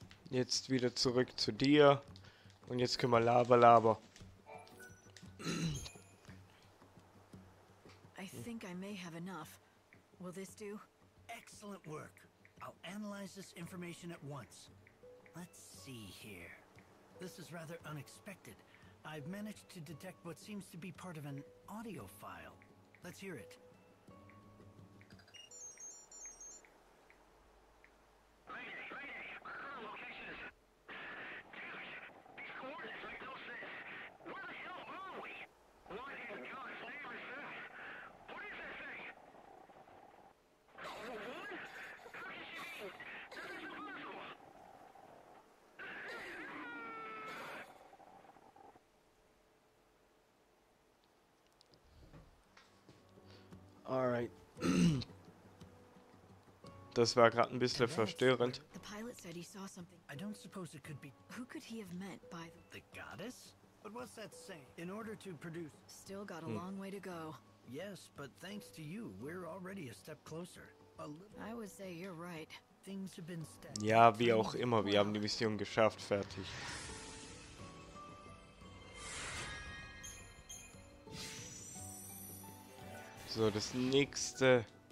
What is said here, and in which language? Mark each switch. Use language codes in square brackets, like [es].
[de] Jetzt wieder zurück zu dir. Und jetzt können wir laber. [en] I think I may have enough. Will this do? Excellent work. I'll analyze this information at once. Let's see here. This is rather unexpected. I've managed to detect what seems to be part of an audio file. Let's hear it. Alright. [de] Das war gerade ein bisschen verstörend. [en] The pilot said he saw something. I don't suppose it could be. Who could he have meant by the goddess? But what's that saying? In order to produce. Still got a long way to go. Yes, but thanks to you, we're already a step closer. A little. I would say you're right. Things have been steady. [de] Ja, wie auch immer, wir haben die Mission geschafft, fertig. So, das nächste.